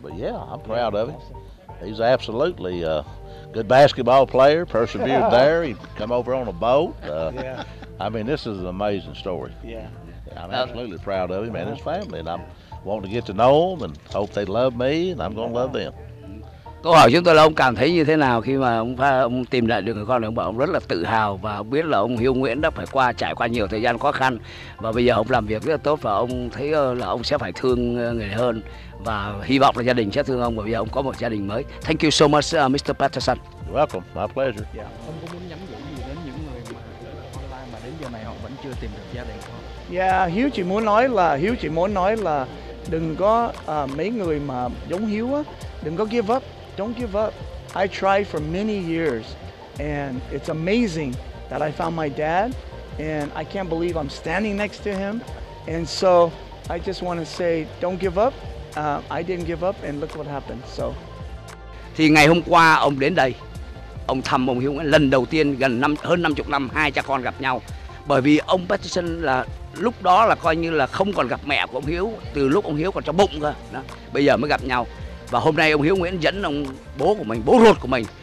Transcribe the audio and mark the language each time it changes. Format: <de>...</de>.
<en>But yeah, I'm proud of him. He's absolutely a good basketball player. Persevered there. He come over on a boat. I mean, this is an amazing story. Yeah. I'm absolutely proud of him and his family, and I'm wanting to get to know them and hope they love me, and I'm going to love them.</en> <vi>Câu hỏi chúng tôi là ông cảm thấy như thế nào khi mà ông tìm lại được người con? Ông bảo ông rất là tự hào, và ông biết là ông Hiếu Nguyễn đã phải qua trải qua nhiều thời gian khó khăn, và bây giờ ông làm việc rất là tốt, và ông thấy là ông sẽ phải thương người hơn, và hy vọng là gia đình sẽ thương ông, và bây giờ ông có một gia đình mới.</vi> <en>Thank you so much, Mr. Patterson. You're welcome. My pleasure. Yeah.</en> <vi>Ông có muốn nhắn gửi gì đến những người mà online mà đến giờ này họ vẫn chưa tìm được gia đình không? Yeah, Hiếu chỉ muốn nói là đừng có mấy người mà giống Hiếu á, đừng có</vi> <en>give up, don't give up. I tried for many years, and it's amazing that I found my dad, and I can't believe I'm standing next to him. And so I just want to say, don't give up. I didn't give up, and look what happened. So.</en> <vi>Thì ngày hôm qua ông đến đây, ông thăm ông Hiếu lần đầu tiên gần hơn 50 năm hai cha con gặp nhau, bởi vì ông Patterson là lúc đó là coi như là không còn gặp mẹ của ông Hiếu, từ lúc ông Hiếu còn trong bụng cơ. Đó. Bây giờ mới gặp nhau. Và hôm nay ông Hiếu Nguyễn dẫn ông bố của mình, bố ruột của mình</vi>